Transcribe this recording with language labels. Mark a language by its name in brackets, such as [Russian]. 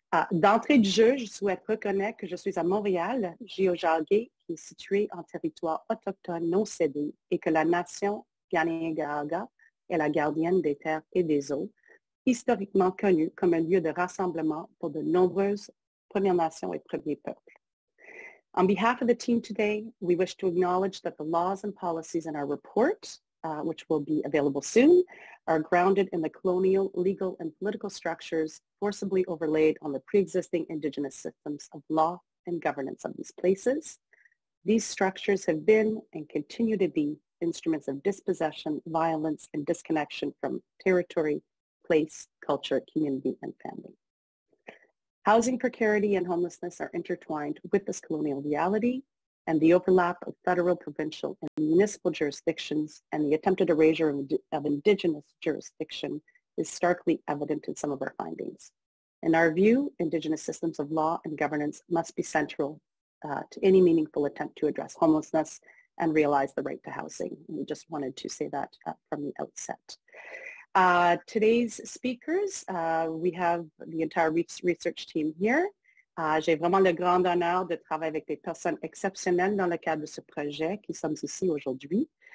[French] D'entrée de jeu, je souhaite reconnaître que je suis à Montréal, Géojagué, qui est située en territoire autochtone non cédé, et que la nation Ganegaga est la gardienne des terres et des eaux, historiquement connue comme un lieu de rassemblement pour de nombreuses Premières Nations et Premiers Peuples. [English] On behalf of the team today, we wish to acknowledge that the laws and policies in our report, which will be available soon, are grounded in the colonial, legal, and political structures forcibly overlaid on the pre-existing Indigenous systems of law and governance of these places. These structures have been and continue to be instruments of dispossession, violence, and disconnection from territory, place, culture, community, and family. Housing precarity and homelessness are intertwined with this colonial reality, and the overlap of federal, provincial, and municipal jurisdictions and the attempted erasure of Indigenous jurisdiction is starkly evident in some of our findings. In our view, Indigenous systems of law and governance must be central to any meaningful attempt to address homelessness and realize the right to housing. We just wanted to say that from the outset. Today's speakers, we have the entire research team here. [French] J'ai vraiment le grand honneur de travailler avec des personnes exceptionnelles dans le cadre de ce projet qui sommes ici aujourd'hui.